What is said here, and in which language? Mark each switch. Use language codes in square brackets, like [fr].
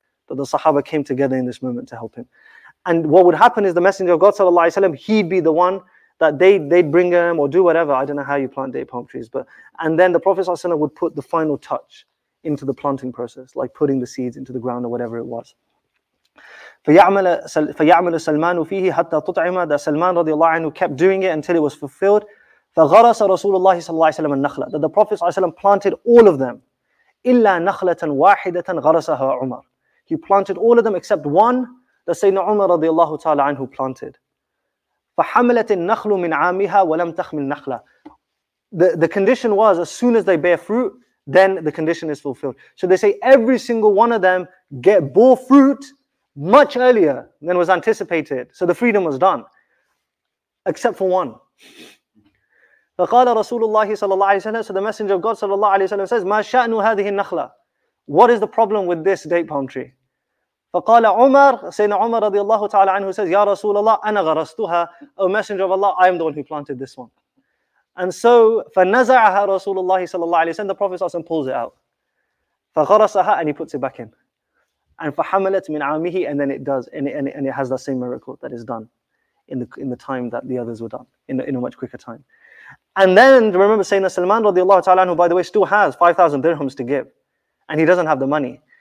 [en] But the Sahaba came together in this moment to help him. And what would happen is the Messenger of God sallallahu alaihi wasallam, he'd be the one that they'd bring him or do whatever. I don't know how you plant date palm trees, but and then the Prophet sallallahu alaihi wasallam would put the final touch into the planting process, like putting the seeds into the ground or whatever it was. [ar] فيعمل سلمان فيه حتى تطعم. [en] That Salman radiallahu anhu kept doing it until it was fulfilled. [ar] فغرس رسول الله صلى الله عليه وسلم النخلة. [en] That the Prophet sallallahu alaihi wasallam planted all of them. [ar] إلا نخلة واحدة غرسها عمر. [en] He planted all of them except one that Sayyidina Umar radiallahu ta'ala anhu planted. [ar] فحملت النخل من عامها ولم تخمل النخلة. [en] The condition was, as soon as they bear fruit, then the condition is fulfilled. So they say every single one of them bore fruit much earlier than was anticipated. So the freedom was done. Except for one. [ar] فقال رسول الله صلى الله عليه وسلم. [en] So the Messenger of God [ar] صلى الله عليه وسلم [en] says, [ar] ما شأن هذه النخلة? [en] What is the problem with this date palm tree? [ar] فقال عمر, سيدنا عمر رضي الله تعالى عنه [en] says, [ar] يا رسول الله أنا غرستها. [en] O Messenger of Allah, I am the one who planted this one. And so, [ar] فنزعها رسول الله صلى الله عليه وسلم. [en] The Prophet [ar] صلى الله عليه وسلم [en] pulls it out. [ar] فغرسها, [en] and he puts it back in. And [ar] فحملت من عامه, [en] and then it does, and it has the same miracle that is done in the time that the others were done, in a much quicker time. And then remember, Sayyidina Salman radiallahu ta'ala anhu, by the way, still has 5,000 dirhams to give, and he doesn't have the money.